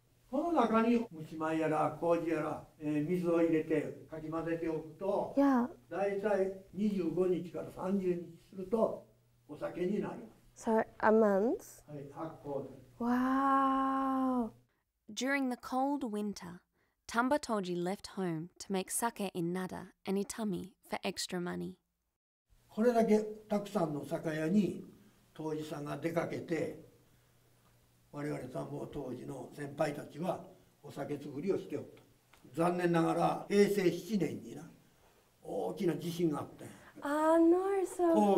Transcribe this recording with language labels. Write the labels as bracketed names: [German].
[Japanese] この中に蒸し米やら麹やら、水を入れてかき混ぜておくと、 [English] yeah. [Japanese] だいたい25日から30日するとお酒になります [English] 。 So, a month? [Japanese] はい、発酵で。 [English] Wow! During the cold winter, Tamba Toji left home to make sake in Nada and Itami for extra money. [Japanese] これだけたくさんの酒屋に当時さんが出かけて、我々田んぼ当時の先輩たちはお酒作りをしておった。残念ながら平成7年にな、大きな地震があって、 [English] no, so,